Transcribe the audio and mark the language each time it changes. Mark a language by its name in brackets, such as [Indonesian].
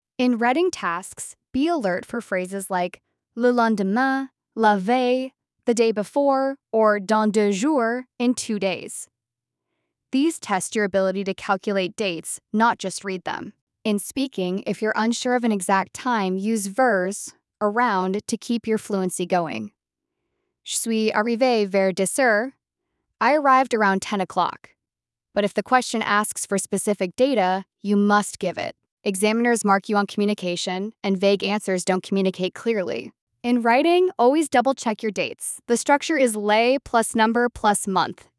[English] In reading tasks, be alert for phrases like [French] le lendemain, la veille, [English] the day before, or [French] dans deux jours, [English] in 2 days. These test your ability to calculate dates, not just read them. In speaking, if you're unsure of an exact time, use vers, around, to keep your fluency going. [French] Je suis arrivé vers 10 heures. [English] I arrived around 10 o'clock. But if the question asks for specific data, you must give it. Examiners mark you on communication, and vague answers don't communicate clearly. In writing, always double-check your dates. The structure is lay plus number plus month.